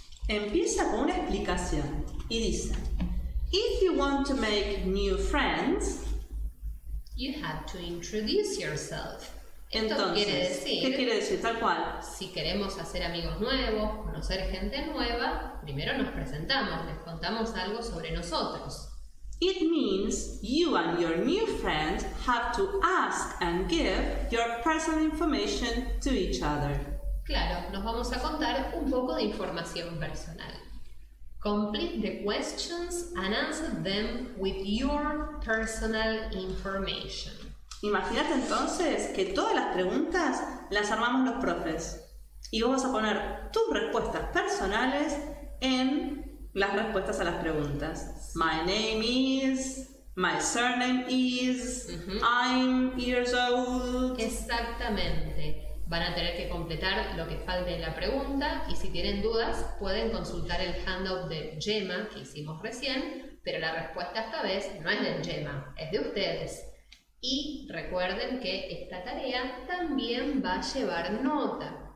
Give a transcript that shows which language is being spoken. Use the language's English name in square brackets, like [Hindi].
[Spanish] Empieza con una explicación y dice: [English] If you want to make new friends, you have to introduce yourself. [Spanish] Entonces, ¿qué quiere decir? Tal cual. Si queremos hacer amigos nuevos, conocer gente nueva, primero nos presentamos, les contamos algo sobre nosotros. [English] It means you and your new friend have to ask and give your personal information to each other. [Spanish] Claro, nos vamos a contar un poco de información personal. [English] Complete the questions and answer them with your personal information. [Spanish] Imagínate entonces que todas las preguntas las armamos los profes y vos vas a poner tus respuestas personales en las respuestas a las preguntas. [English] My name is, my surname is, I'm years old. [Spanish] Exactamente. Van a tener que completar lo que falte en la pregunta y si tienen dudas pueden consultar el handout de Gemma que hicimos recién, pero la respuesta esta vez no es de Gemma, es de ustedes. Y recuerden que esta tarea también va a llevar nota.